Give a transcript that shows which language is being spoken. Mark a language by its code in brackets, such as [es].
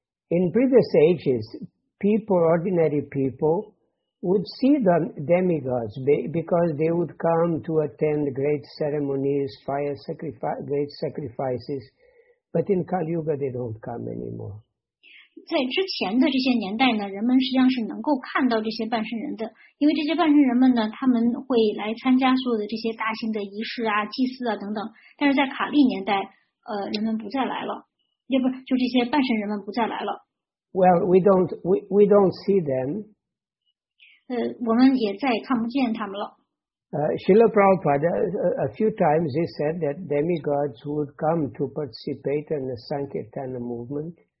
[en] In previous ages, people, ordinary people, would see the demigods because they would come to attend great ceremonies, fire sacrifice, great sacrifices. But in Kali Yuga, they don't come anymore. [zh] 在之前的这些年代呢，人们实际上是能够看到这些半身人的，因为这些半身人们呢，他们会来参加所有的这些大型的仪式啊、祭祀啊等等。但是在卡利年代，人们不再来了，也不就这些半身人们不再来了。 [en] Well, we don't see them. [zh] 我们也再看不见他们了。 [en] Srila Prabhupada, a few times he said that demigods would come to participate in the Sankirtana movement.